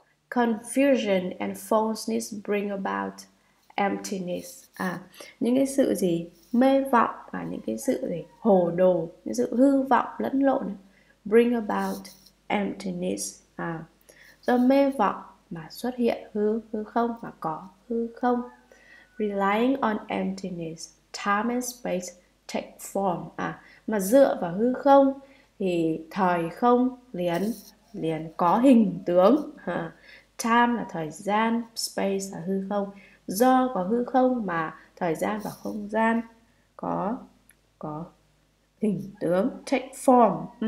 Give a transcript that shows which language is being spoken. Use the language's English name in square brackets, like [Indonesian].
[English] Confusion and falseness bring about emptiness. [Vietnamese] Những cái sự gì mê vọng và những cái sự gì hồ đồ, những sự hư vọng lẫn lộn, bring about emptiness. Do mê vọng mà xuất hiện hư không, mà có hư không. [English] Relying on emptiness, time and space take form. [Vietnamese] Mà dựa vào hư không thì thời không liền liền có hình tướng. Time là thời gian, space là hư không. Do có hư không mà thời gian và không gian có hình tướng, take form.